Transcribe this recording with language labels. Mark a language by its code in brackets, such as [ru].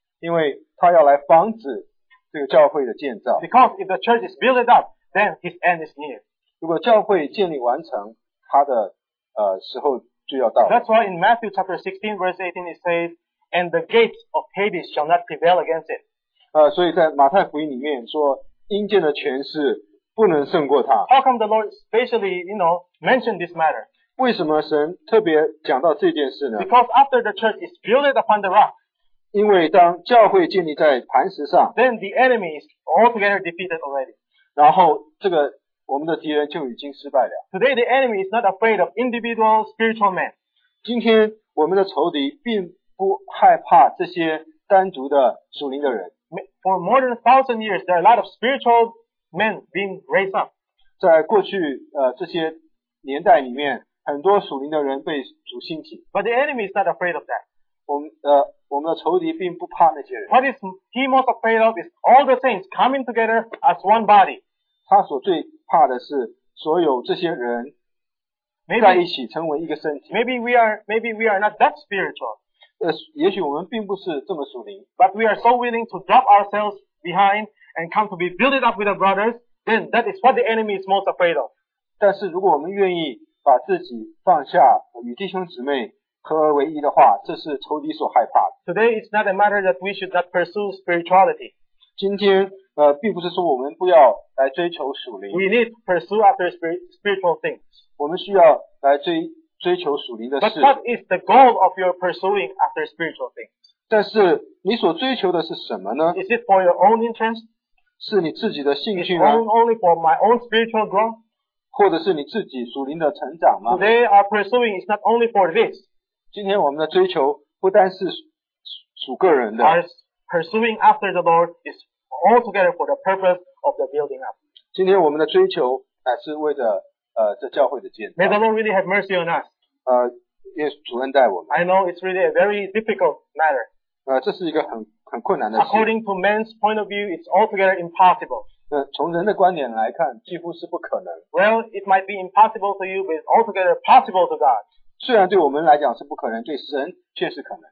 [zh] 因为他要来防止这个教会的建造。 [en] Because if the church is built up, then his end is near. [zh] 如果教会建立完成，他的时候就要到了。 [en] That's why in Matthew chapter 16 verse 18 it says, "And the gates of Hades shall not prevail against it." [zh] 所以在马太福音里面说，阴间的权势不能胜过他。 [en] How come the Lord specially, you know, mentioned this matter? [zh] 为什么神特别讲到这件事呢？ [en] Because after the church is built upon the rock. [zh] 因为当教会建立在磐石上， [en] then the enemy is altogether defeated already. [zh] 然后这个我们的敌人就已经失败了。 [en] Today the enemy is not afraid of individual spiritual men. [zh] 今天我们的仇敌并不害怕这些单独的属灵的人。 [en] For more than 1,000 years, there are a lot of spiritual men being raised up. [zh] 在过去这些年代里面，很多属灵的人被主兴起。 [en] But the enemy is not afraid of that. [zh] 我们的仇敌并不怕那些人。 [en] What is he most afraid of is all the saints coming together as one body. [zh] 他所最怕的是所有这些人在一起成为一个身体。 [en] Maybe we are not that spiritual. [zh] 也许我们并不是这么属灵。 [en] But we are so willing to drop ourselves behind and come to be built up with the brothers, then that is what the enemy is most afraid of. [zh] 但是如果我们愿意把自己放下与弟兄姊妹合而为一的话，这是仇敌所害怕的。 [en] Today it's not a matter that we should not pursue spirituality. [zh] 今天并不是说我们不要来追求属灵。 [en] We need to pursue after spiritual things. [zh] 我们需要来追求属灵的事。 [en] But what is the goal of your pursuing after spiritual things? [zh] 但是你所追求的是什么呢？ [en] Is it for your own interest? [zh] 是你自己的兴趣吗？ [en] Is it only for my own spiritual growth? [zh] 或者是你自己属灵的成长吗？ [en] Today our pursuing is not only for this. [zh] 今天我们的追求不单是属个人的。 [en] Our pursuing after the Lord is altogether for the purpose of the building up. [zh] 今天我们的追求乃是为着这教会的建造。 [en] May the Lord really have mercy on us. [zh] 愿主恩待我们。 [en] I know it's really a very difficult matter. [zh] 这是一个很困难的事。 [en] According to man's point of view, it's altogether impossible. [zh] 从人的观点来看，几乎是不可能。 [en] Well, it might be impossible to you, but it's altogether possible to God. [zh] 虽然对我们来讲是不可能，对神却是可能。